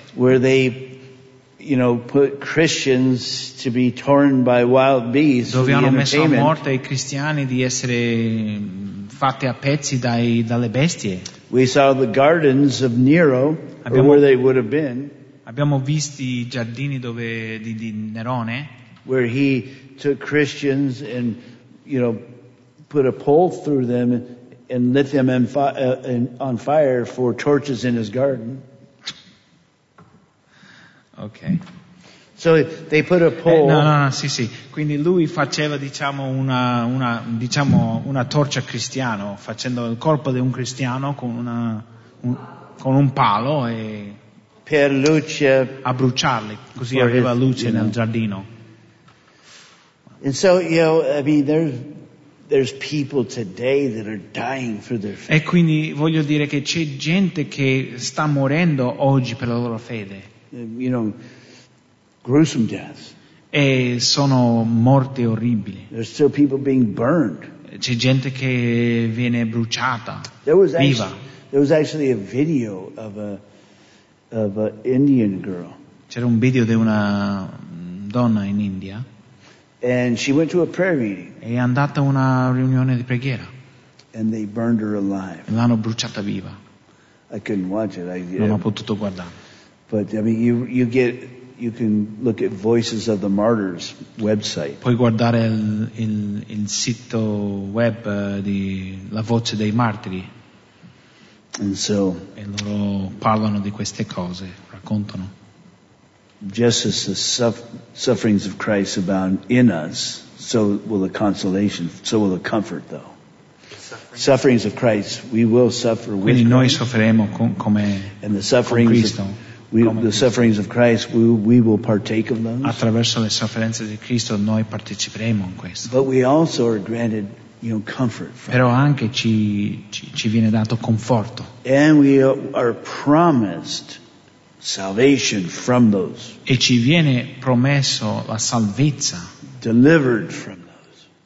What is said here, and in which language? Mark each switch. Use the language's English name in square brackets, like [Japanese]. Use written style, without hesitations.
[English] Where they, you know, put Christians to be torn by wild beasts. [Italian] Dove hanno messo a morte i cristiani di essere fatte a pezzi dalle bestie. [English] We saw the gardens of Nero, where they would have been. [Italian] Abbiamo visto i giardini di Nerone, [English] where he took Christians and, you know, put a pole through them and lit them on fire for torches in his garden. Okay. So they put a pole. [Italian] No, sì. Quindi lui faceva, diciamo, una torcia cristiano, facendo il corpo di un cristiano con un palo e per luce a bruciarli, così aveva luce nel giardino. [English] And so, you know, I mean, there there's people today that are dying for their faith. [Italian] E quindi voglio dire che c'è gente che sta morendo oggi per la loro fede. [English] You know, gruesome deaths. [Italian] E sono morte orribili. [English] There's still people being burned. [Italian] C'è gente che viene bruciata. [English] There was viva. There was actually a video of an Indian girl. [Italian] C'era un video di una donna in India. [English] And she went to a prayer meeting. [Italian] È andata a una riunione di preghiera. [English] And they burned her alive. [Italian] E l'hanno bruciata viva. [English] I couldn't watch it. [Italian] Non ho potuto guardare. [English] But I mean, you can look at Voices of the Martyrs website. [Italian] Puoi guardare il sito web di La Voce dei Martiri. [English] And so. [Italian] E loro parlano di queste cose, raccontano. [English] Just as the sufferings of Christ abound in us, so will the consolation, so will the comfort, though. Sufferings of Christ, we will suffer with [Italian] Quindi noi soffriremo come [English] and the sufferings [Italian] con Cristo, [English] of, we, [Italian] come [English] the sufferings of Christ, we will partake of those. [Italian] Attraverso le sofferenze di Cristo, noi parteciperemo in questo. [English] But we also are granted, you know, comfort. From [Italian] Però anche ci viene dato conforto. [English] And we are promised salvation from those. [Italian] E ci viene promesso la salvezza. [English] Delivered from those.